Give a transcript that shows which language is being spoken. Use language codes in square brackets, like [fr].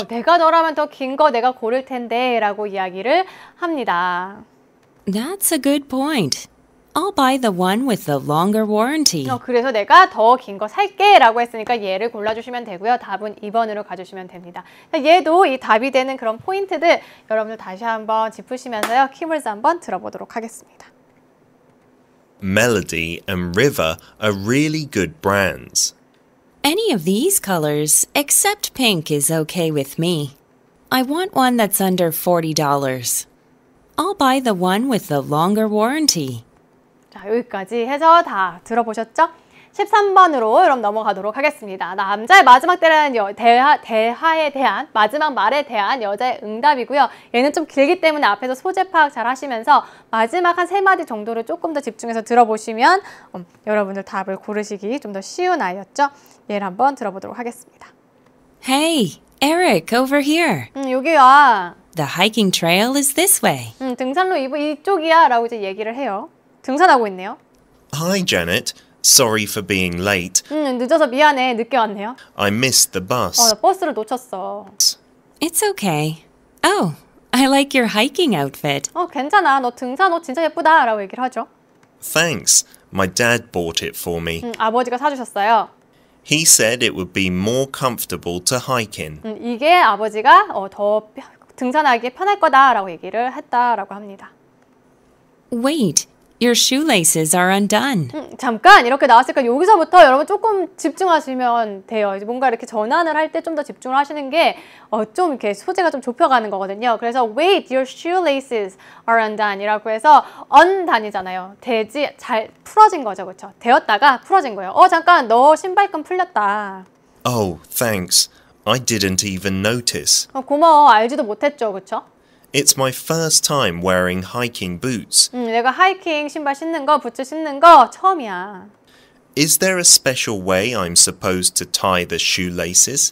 [ko] 내가 너라면 더 긴 거 내가 고를 텐데 라고 이야기를 합니다. [en] That's a good point. I'll buy the one with the longer warranty. [ko] 그래서 내가 더 긴 거 살게 라고 했으니까 얘를 골라주시면 되고요. 답은 2번으로 가주시면 됩니다. 얘도 이 답이 되는 그런 포인트들 여러분들 다시 한번 짚으시면서요. 키워드 한번 들어보도록 하겠습니다. [en] Melody and River are really good brands. Any of these colors except pink is okay with me. I want one that's under $40. I'll buy the one with the longer warranty. [ko] 자, 여기까지 해서 다 들어보셨죠? 13번으로 그럼 넘어가도록 하겠습니다. 남자의 마지막 대화에 대한 마지막 말에 대한 여자의 응답이고요. 얘는 좀 길기 때문에 앞에서 소재 파악 잘 하시면서 마지막 한 세 마디 정도를 조금 더 집중해서 들어보시면 여러분들 답을 고르시기 좀 더 쉬운 아이였죠? 얘를 한번 들어보도록 하겠습니다. [en] Hey, Eric, over here. [ko] 여기 와. [en] The hiking trail is this way. [ko] 등산로 이쪽이야 라고 이제 얘기를 해요. 등산하고 있네요. [en] Hi, Janet. Sorry for being late. [ko] 늦어서 미안해. 늦게 왔네요. [en] I missed the bus. [ko] 나 버스를 놓쳤어. [en] It's okay. Oh, I like your hiking outfit. [ko] 괜찮아. 너 등산 옷 진짜 예쁘다. 라고 얘기를 하죠. [en] Thanks. My dad bought it for me. [ko] 아버지가 사주셨어요. [en] He said it would be more comfortable to hike in. [ko] 이게 아버지가 더 등산하기에 편할 거다. 라고 얘기를 했다라고 합니다. [en] Wait. Your shoelaces are undone. [ko] 잠깐 이렇게 나왔으니까 여기서부터 여러분 조금 집중하시면 돼요. 뭔가 이렇게 전환을 할 때 좀 더 집중을 하시는 게 좀 이렇게 소재가 좀 좁혀가는 거거든요. 그래서 [en] wait, your shoelaces are undone [ko] 이라고 해서 undone이잖아요. 되지 잘 풀어진 거죠, 그렇죠? 되었다가 풀어진 거예요. 잠깐 너 신발끈 풀렸다. [en] Oh, thanks. I didn't even notice. [ko] 고마워. 알지도 못했죠, 그렇죠? [en] It's my first time wearing hiking boots. [ko] 내가 하이킹 신발 신는 거, 부츠 신는 거 처음이야. [en] Is there a special way I'm supposed to tie the shoelaces?